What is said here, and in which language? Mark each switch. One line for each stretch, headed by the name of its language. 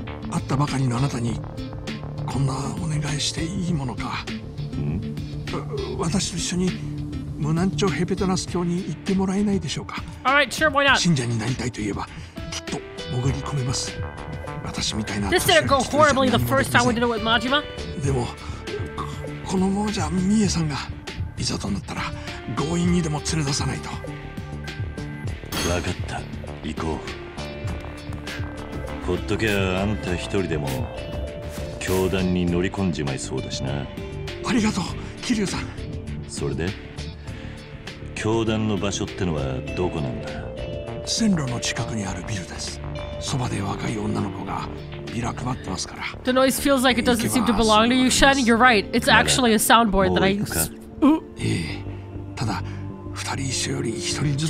Japanese: 会ったばかりのあなたにこんなお願いしていいものか。私と一緒にムナンチョヘペトナス教に行ってもらえないでしょうか？
English: All right, sure, why not?
Japanese: 信者になりたいといえばきっと潜り込めます。私みたいな。
English: This didn't go horribly the first time we did it with Majima.
Japanese: でもこのままじゃミエさんがいざとなったら強引にでも連れ出さないと。わかった、行こう。ほっとけ、あんた一人でも教団に乗り込んじまいそうだしな。ありがとう、キリュウさん。それで教団の場所ってのはどこなんだ？線路の近くにあるビルです。そばで若い女の子がビラ配ってますから。
English: The noise feels like it doesn't seem to belong to you, Shen. You're right. It's actually a soundboard that I use.
Japanese: ええ、ただ二人一緒より一人ずつ。